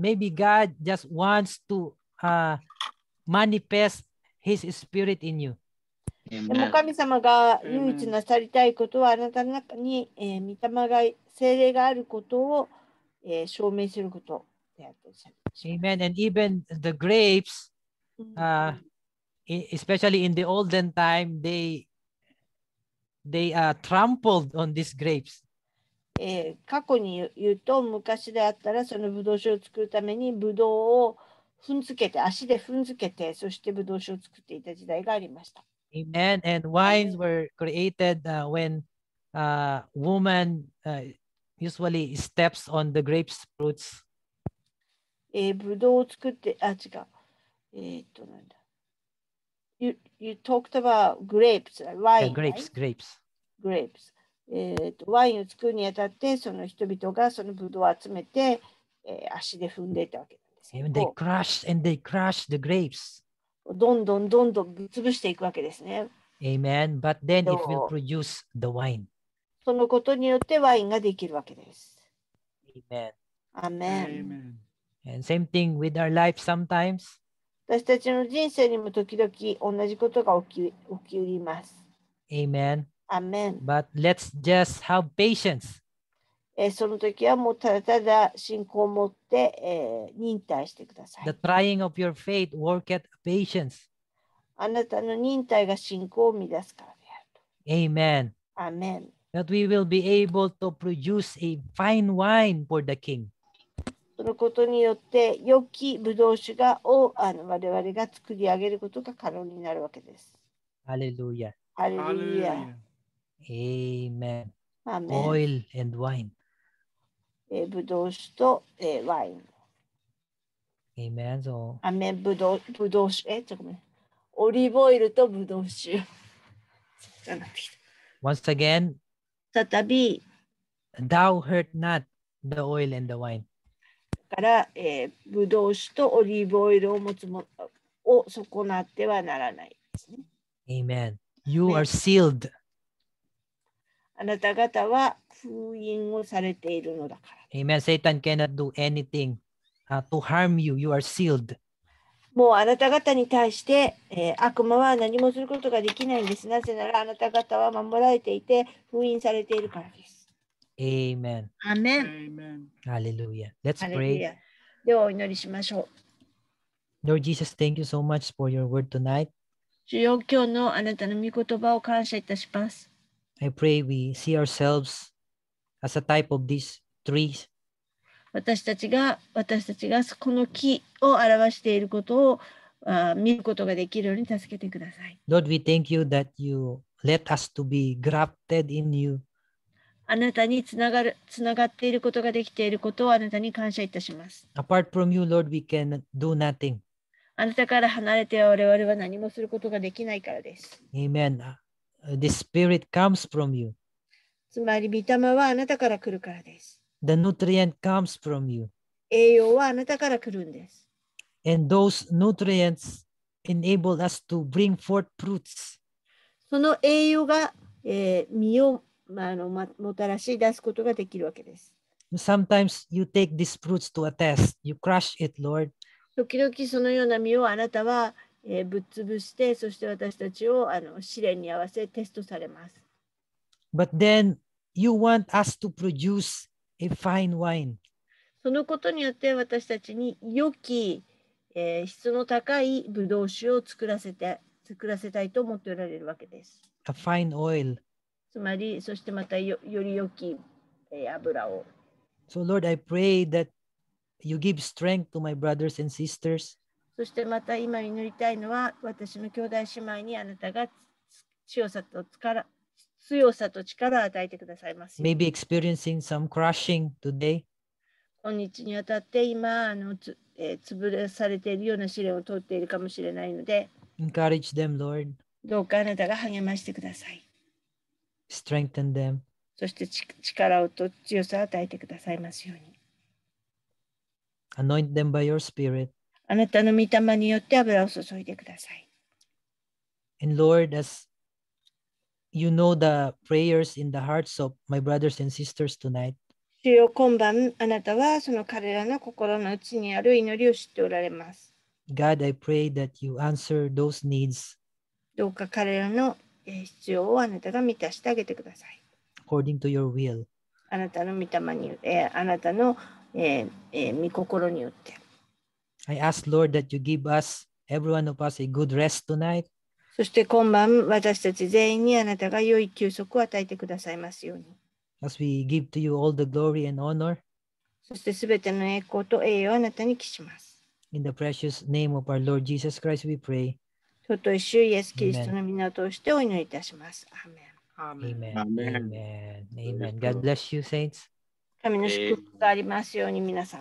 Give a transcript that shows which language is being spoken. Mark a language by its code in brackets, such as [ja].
[en] Maybe God just wants to manifest His Spirit in you. [ja] でも神様が唯一なさりたいことはあなたの中に、御霊が聖霊があることを、証明することであったりします [en] 。 Amen. And even the grapes, especially in the olden time, they trampled on these grapes. [ja] 過去に言うと昔であったらそのブドウ酒を作るためにブドウを踏んづけて足で踏んづけてそしてブドウ酒を作っていた時代がありました。 [en] Amen. And wines were created when a woman usually steps on the grapes fruits. [ja] ブドウを作って、違う。なんだ。 [en] You talked about grapes, wine. Grapes. [ja] ワインを作るにあたって、その人々がそのブドウを集めて、足で踏んでいたわけなんですけど。 [en] And they crushed and they crushed the grapes. [ja] どんどんどんどんぶつぶしていくわけですね。 [en] Amen. But then it will produce the wine. [ja] そのことによってワインができるわけです。 [en] Amen. Amen. And same thing with our life sometimes. [ja] 私たちの人生にも時々同じことが起きます。 [en] Amen. Amen. But let's just have patience. [ja] その時はもうただただ信仰を持って、忍耐してください。 [en] The trying of your faith worketh patience. [ja] あなたの忍耐が信仰を生み出すからであると。 [en] Amen. Amen. That we will be able to produce a fine wine for the king. [ja] そのことによって良きブドウ酒がを我々が作り上げることが可能になるわけです。ハレルヤ。ハレルヤ。アーメン。アーメン。 [en] Oil and wine。 [ja] ブドウ酒と、ワイン。アーメン。そう。アーメン。ブドウ酒。ちょっとごめん。オリーブオイルとブドウ酒。 [en] Once again。 [ja] 再び。 [en] Thou hurt not the oil and the wine. [ja] から、ブドウ酒とオリーブオイルを持つもを損なってはならないですね。 [en] Amen. You are sealed. [ja] あなた方は封印をされているのだから。 [en] Amen. Satan cannot do anything, to harm you. You are sealed. [ja] もうあなた方に対して、悪魔は何もすることができないんです。なぜならあなた方は守られていて封印されているからです。 [en] Amen. Amen. Hallelujah. Let's pray. [ja] ではお祈りしましょう。 [en] Lord Jesus, thank you so much for your word tonight. [ja] 主よ、今日のあなたの御言葉を感謝いたします。 [en] I pray we see ourselves as a type of these trees. [ja] 私たちがこの木を表していることを見ることができるように助けてください。 [en] Lord, we thank you that you let us to be grafted in you. [ja] あなたにつながっていることができていることをあなたに感謝いたします。 [en] Apart from you, Lord, we can do nothing. [ja] あなたから離れては我々は何もすることができないからです。 [en] Amen. The Spirit comes from you. [ja] つまり、御霊はあなたから来るからです。 [en] The nutrient comes from you. [ja] 栄養はあなたから来るんです。 [en] And those nutrients enable us to bring forth fruits. [ja] その栄養が、実をもたらし出すことができるわけです。 [en] Sometimes you take these fruits to a test. You crush it, Lord. [ja] 時々そのような実をあなたは、ぶっ潰して、そして私たちを試練に合わせテストされます。 [en] But then you want us to produce a fine wine. [ja] そのことによって私たちに良き、質の高いブドウ酒を作らせたいと思っておられるわけです。 [en] A fine oil. [ja] つまり、そしてまたより良き油を。 [en] So Lord, I pray that you give strength to my brothers and sisters. [ja] そしてまた今祈りたいのは、私の兄弟姉妹にあなたが強さと力を与えてくださいます。 [en] Maybe experiencing some crushing today. [ja] 今日にあたって今潰れされているような試練を通っているかもしれないので。 [en] Encourage them, Lord. [ja] どうかあなたが励ましてください。 [en] Strengthen them. [ja] そして力をと強さを与えてくださいますように。 [en] Anoint them by your spirit. [ja] あなたの御霊によって油を注いでください。 [en] And Lord, as you know the prayers in the hearts of my brothers and sisters tonight. [ja] 主よ、今晩あなたはその彼らの心の内にある祈りを知っておられます。 [en] God, I pray that you answer those needs. [ja] どうか彼らの必要をあなたが満たしてあげてください。 [en] According to your will. [ja] あなたの御霊によって、あなたの、御心によって。 [en] I ask, Lord, that you give us, every one of us, a good rest tonight. [ja] そして今晩、私たち全員にあなたが良い休息を与えてくださいますように。 [en] As we give to you all the glory and honor. [ja] そして全ての栄光と栄誉をあなたに帰します。 [en] In the precious name of our Lord Jesus Christ, we pray. [ja] 尊い主イエスキリストの御名を通してお祈りいたします。アーメン。アーメン。アーメン。アーメン。アーメン。 [en] アーメン。God bless you, saints. [ja] 神の祝福がありますように皆さん。